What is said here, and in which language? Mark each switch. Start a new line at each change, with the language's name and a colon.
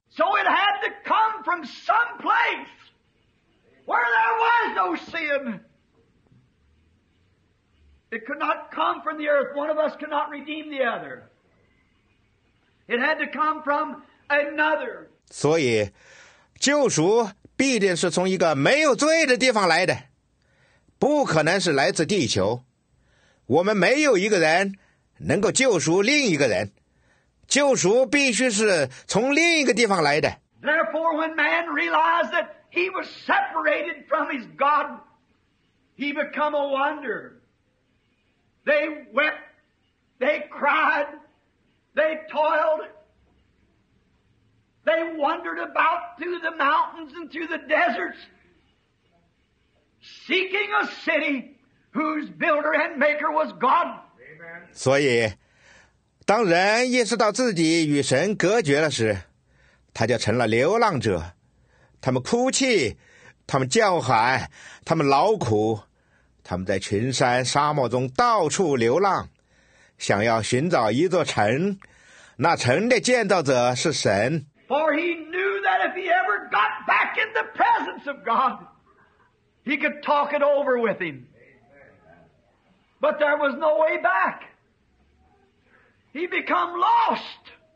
English: So it had to come from some place. where there was no sin. It could not come from the earth. One of us could not redeem the other. It had to come from another.
Chinese: 所以救赎必定是从一个没有罪的地方来的，不可能是来自地球。我们没有一个人能够救赎另一个人，救赎必须是从另一个地方来的。
English: Therefore, when man realized that he was separated from his God, he became a wonder. They wept, they cried, they toiled. They wandered about through the mountains and through the deserts, seeking a city whose builder and maker was God.
Chinese: 所以，当人意识到自己与神隔绝了时，他就成了流浪者。他们哭泣，他们叫喊，他们劳苦，他们在群山沙漠中到处流浪，想要寻找一座城。那城的建造者是神。
English: For he knew that if he ever got back in the presence of God, he could talk it over with him. But there was no way back. He became lost.